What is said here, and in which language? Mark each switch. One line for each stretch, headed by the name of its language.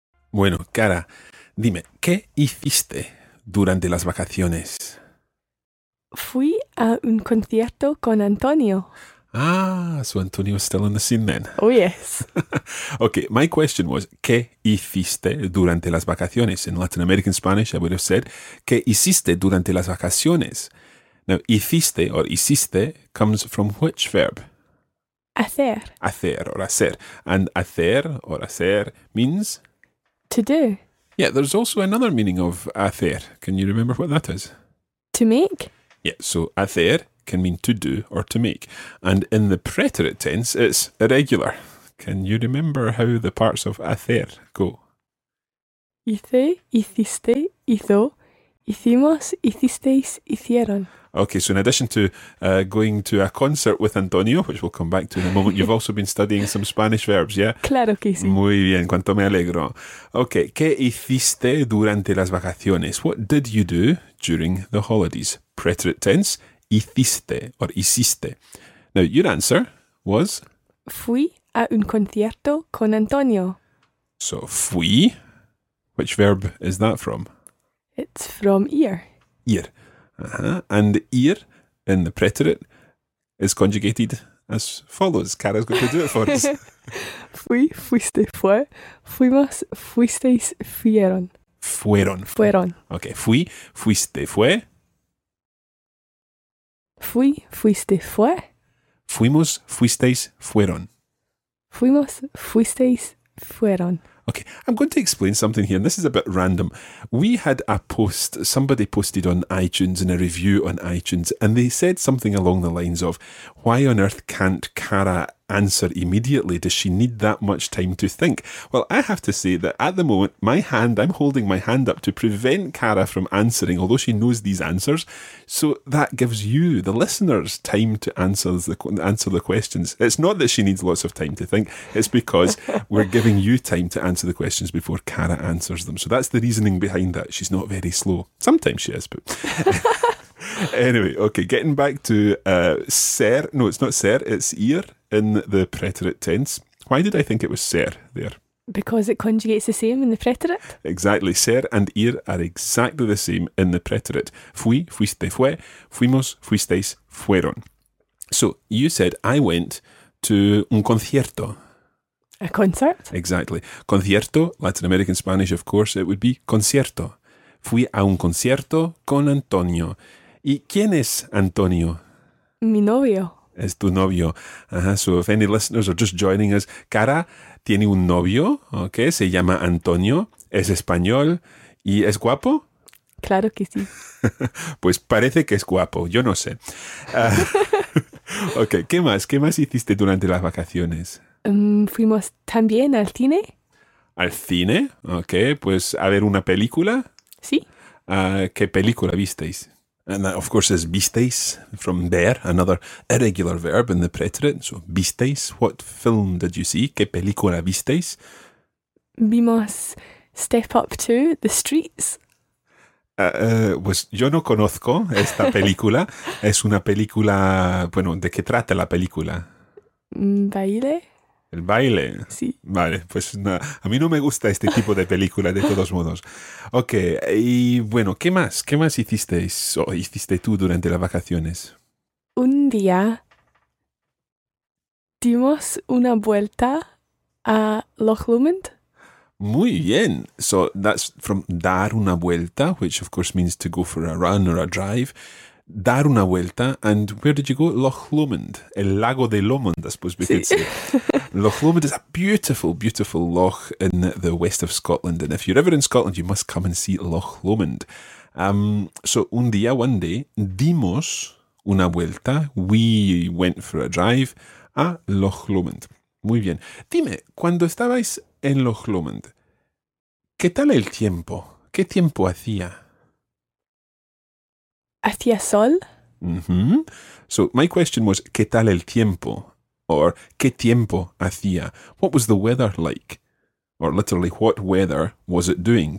Spanish: Bueno, cara, dime, ¿qué hiciste durante las vacaciones? Fui a un concierto con Antonio.
English: Ah, so Antonio is still on the scene then. Oh, yes. Okay, my question was,
Spanish: ¿qué hiciste durante las vacaciones?
English: In Latin American Spanish, I would have said,
Spanish: ¿qué hiciste durante las vacaciones?
English: Now, hiciste or hiciste comes from which verb?
Spanish: Hacer. Hacer or hacer.
English: And hacer or hacer means... to do. Yeah, there's also another meaning of hacer. Can you remember what that is? To make. Yeah, so hacer can mean to do or to make. And in the preterite tense, it's irregular. Can you remember how the parts of hacer go?
Spanish: Hice, hiciste, hizo, hicimos, hicisteis, hicieron.
English: Okay, so in addition to going to a concert with Antonio, which we'll come back to in a moment, you've also been studying some Spanish verbs, yeah?
Spanish: Claro que sí. Muy bien, cuánto me alegro. Okay, ¿qué hiciste durante las vacaciones?
English: What did you do during the holidays? Preterite tense, hiciste or hiciste. Now, your answer was...
Spanish: fui a un concierto con Antonio.
English: So, fui, which verb is that from? It's from ir.
Spanish: Ir.
English: And ir in the preterite is conjugated as follows. Cara's going to do it for us.
Spanish: Fui, fuiste, fue. Fuimos, fuisteis, fueron. Fueron. Fueron. Okay. Fui, fuiste, fue. Fui, fuiste, fue. Fuimos, fuisteis, fueron. Fuimos, fuisteis, fueron.
English: Okay, I'm going to explain something here, and this is a bit random. We had a post, somebody posted on iTunes in a review on iTunes, and they said something along the lines of, why on earth can't Cara answer immediately? Does she need that much time to think? Well, I have to say that at the moment, my hand, I'm holding my hand up to prevent Cara from answering, although she knows these answers. So that gives you, the listeners, time to answer the questions. It's not that she needs lots of time to think. It's because we're giving you time to answer the questions before Cara answers them. So that's the reasoning behind that. She's not very slow. Sometimes she is, but... anyway, okay, getting back to ser. No, it's not ser, it's ir in the preterite tense. Why did I think it was ser there? Because it conjugates the same in the preterite. Exactly, ser and ir are exactly the same in the preterite.
Spanish: Fui, fuiste, fue, fuimos, fuisteis, fueron.
English: So you said, I went to
Spanish: un concierto.
English: A concert? Exactly. Concierto, Latin American Spanish, of course, it would be concierto.
Spanish: Fui a un concierto con Antonio. ¿Y quién es Antonio? Mi novio. Es tu novio.
English: So if any listeners are just joining us,
Spanish: Cara tiene un novio, ¿ok? Se llama Antonio, es español y ¿es guapo? Claro que sí. Pues parece que es guapo, yo no sé. Ok, ¿qué más? ¿Qué más hiciste durante las vacaciones? Fuimos también al cine. ¿Al cine? Ok, pues a ver una película. Sí. ¿Qué película visteis?
English: And that, of course, is visteis, from ver, another irregular verb in the preterite. So, visteis, what film did you see?
Spanish: ¿Qué película visteis? Vimos Step Up 2, The Streets. Pues yo no conozco esta película. Es una película, bueno, ¿de qué trata la película? Baile. El baile. Sí. Vale, pues no, a mí no me gusta este tipo de película, de todos modos. Ok, y bueno, ¿qué más? ¿Qué más hicisteis o hiciste tú durante las vacaciones? Un día dimos una vuelta a Loch Lomond. Muy bien.
English: So that's from
Spanish: dar una vuelta,
English: which of course means to go for a run or a drive.
Spanish: Dar una vuelta.
English: And where did you go? Loch Lomond.
Spanish: El lago de Lomond,
English: I suppose we could say. Loch Lomond is a beautiful, beautiful loch in the west of Scotland. And if you're ever in Scotland, you must come and see Loch Lomond.
Spanish: So un día,
English: one day,
Spanish: dimos una vuelta.
English: We went for a drive a Loch Lomond.
Spanish: Muy bien. Dime, cuando estabais en Loch Lomond, ¿qué tal el tiempo? ¿Qué tiempo hacía? ¿Hacía sol? Mm-hmm.
English: So, my question was,
Spanish: ¿qué tal el tiempo? Or, ¿qué tiempo hacía?
English: What was the weather like? Or, literally, what weather was it doing?